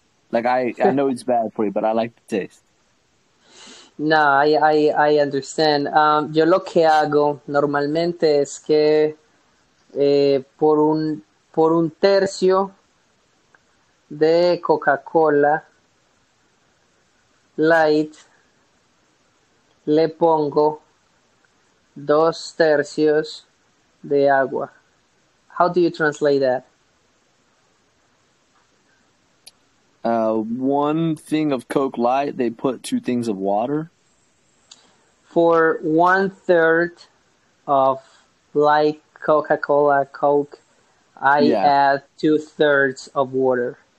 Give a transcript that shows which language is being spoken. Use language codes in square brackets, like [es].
[en] Like, I know it's bad for you, but I like the taste. No, I understand. [es] Yo lo que hago normalmente es que por un tercio de Coca-Cola Light le pongo 2 tercios de agua. [en] How do you translate that? One thing of Coke Light, they put 2 things of water. For 1/3 of light Coca-Cola Coke, add 2/3 of water.